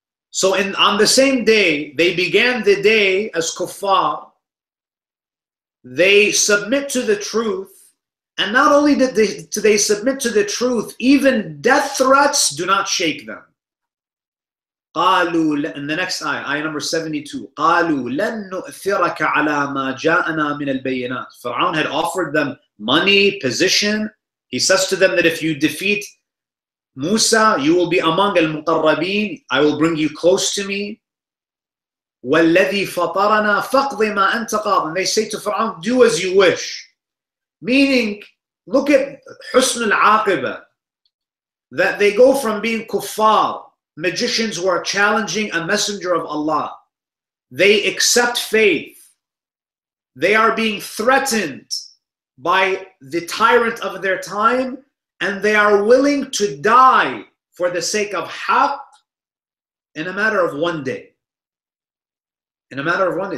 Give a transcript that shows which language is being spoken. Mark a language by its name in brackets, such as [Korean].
[English] So on the same day, they began the day as kuffar. They submit to the truth. And not only did they submit to the truth, even death threats do not shake them. [Arabic] قالوا [English] in the next ayah, ayah number 72, [Arabic] قالوا لن نؤثرك على ما جاءنا من البينات. [English] Pharaoh had offered them money, position. He says to them that if you defeat Musa, you will be among المقربين. I will bring you close to me. [Arabic] والذي فطرنا فقض ما أنت قاض. [English] And they say to Pharaoh, do as you wish. Meaning, look at حسن العاقبة. That they go from being kuffar, magicians who are challenging a messenger of Allah. They accept faith. They are being threatened by the tyrant of their time, and they are willing to die for the sake of haqq in a matter of one day. In a matter of one day.